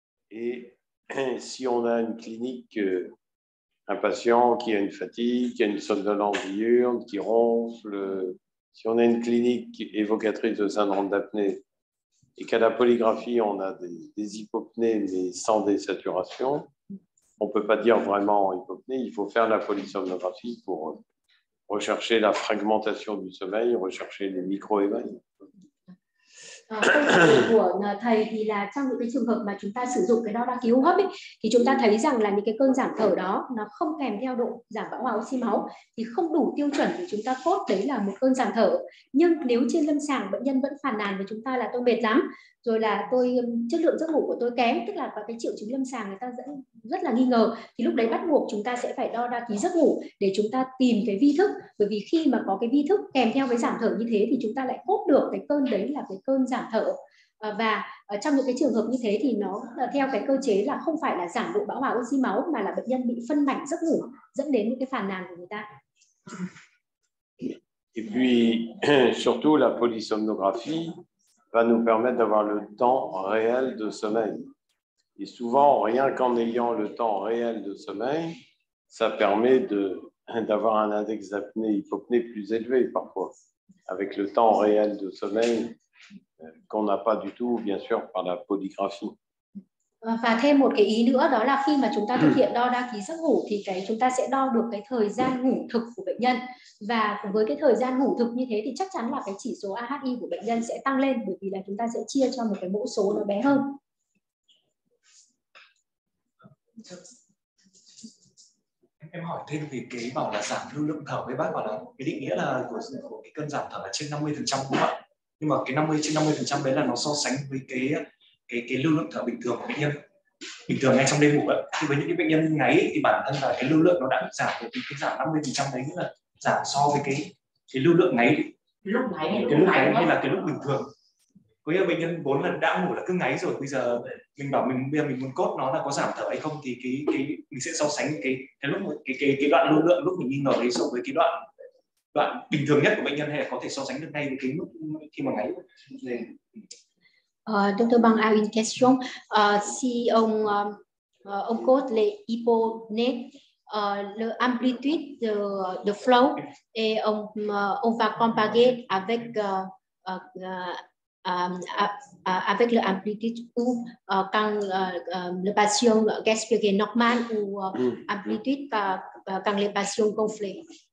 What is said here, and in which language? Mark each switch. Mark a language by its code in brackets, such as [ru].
[fr] Et si on a une clinique, un patient qui a une fatigue, qui a une somnolence diurne, qui ronfle, si on a une clinique évocatrice de syndrome d'apnée et qu'à la polygraphie, on a des hypopnées mais sans désaturation, on ne peut pas dire vraiment hypopnée, il faut faire la polysomnographie pour rechercher la fragmentation du sommeil, rechercher les micro-éveils. [vi] Của thầy thì là trong những cái trường hợp mà chúng ta sử dụng cái đo đạc khí hô hấp ấy, thì chúng ta thấy rằng là những cái cơn giảm thở đó nó không kèm theo độ giảm bão hòa oxy máu thì không đủ tiêu chuẩn để chúng ta cốt đấy là một cơn giảm thở. Nhưng nếu trên lâm sàng bệnh nhân vẫn phàn nàn với chúng ta là tôi mệt lắm, rồi là tôi chất lượng giấc ngủ của tôi kém, tức là có cái triệu chứng lâm sàng người ta rất là nghi ngờ, thì lúc đấy bắt buộc chúng ta sẽ phải đo đạc khí giấc ngủ để chúng ta tìm cái vi thức. Bởi vì khi mà có cái vi thức kèm theo cái giảm thở như thế thì chúng ta lại cốt được cái cơn đấy là cái cơn giảm thở. Và trong những cái trường hợp như thế thì nó theo cái cơ chế là không phải là giảm độ bão hòa oxy máu mà là bệnh nhân bị phân mảnh giấc ngủ dẫn đến những cái phàn nàn của người ta. [fr] Et puis surtout la polysomnographie va nous permettre d'avoir le temps réel de sommeil. Et souvent rien qu'en ayant le temps réel de sommeil, ça permet de d'avoir un index d'apnée hypopnée plus élevé parfois avec le temps réel de sommeil qu'on n'a pas du tout, bien sûr, par la polygraphie. [vi] Và thêm một cái ý nữa đó là khi mà chúng ta thực hiện đo đa ký giấc ngủ thì cái chúng ta sẽ đo được cái thời gian ngủ thực của bệnh nhân, và với cái thời gian ngủ thực như thế thì chắc chắn là cái chỉ số AHI của bệnh nhân sẽ tăng lên, bởi vì là chúng ta sẽ chia cho một cái mẫu số nó bé hơn. Em hỏi thêm về cái bảo là giảm lưu lượng thở, với bác bảo là cái định nghĩa là của cái cơn giảm thở là trên 50%, đúng không ạ? Nhưng mà cái 50% đấy là nó so sánh với cái lưu lượng thở bình thường của bệnh nhân bình thường ngay trong đêm ngủ ạ. Thì với những cái bệnh nhân ngáy thì bản thân là cái lưu lượng nó đã bị giảm, thì cái giảm 50% đấy nghĩa là giảm so với cái lưu lượng ngáy lúc ngáy hay là cái lúc bình thường. Có nghĩa là bệnh nhân 4 lần đã ngủ là cứ ngáy rồi, bây giờ mình bảo mình muốn cốt nó là có giảm thở hay không thì cái mình sẽ so sánh cái đoạn lưu lượng lúc mình nghi ngờ đấy so với cái đoạn bình thường nhất của bệnh nhân, hay là có thể so sánh được ngay với cái lúc khi mà ngáy. [fr] Docteur Bang, [en] I have [fr] une question. Si on cote les hyponées, l'amplitude de flow, et on va comparer avec avec l'amplitude ou quand le patient respire normal ou amplitude quand le patient gonflé.